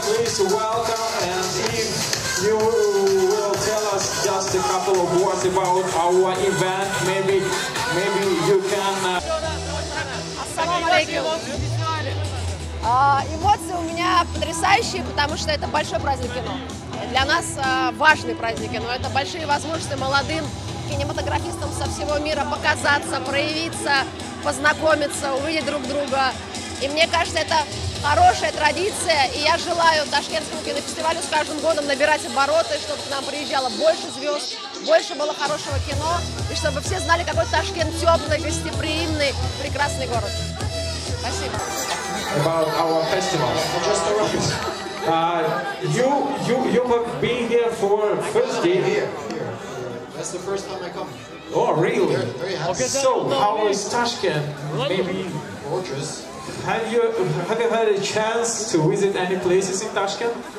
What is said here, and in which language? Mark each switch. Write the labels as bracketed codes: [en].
[en] Please welcome and if you will tell us just a couple of words about our event, maybe you can [ar] Assalamu alaykum. [ru] Эмоции у меня потрясающие, потому что это большой праздник кино. Для нас важный праздник кино. Это большие возможности молодым кинематографистам со всего мира показаться, проявиться, познакомиться, увидеть друг друга. И мне кажется, это хорошая традиция. И я желаю Ташкентскому кинофестивалю с каждым годом набирать обороты, чтобы к нам приезжало больше звезд, больше было хорошего кино. И чтобы все знали, какой Ташкент теплый, гостеприимный, прекрасный город. Спасибо. [en] About our festival. Just arrived. You have been here for first day here. That's the first time I come. Oh really? Okay, so how is Tashkent? Maybe gorgeous. Have you had a chance to visit any places in Tashkent?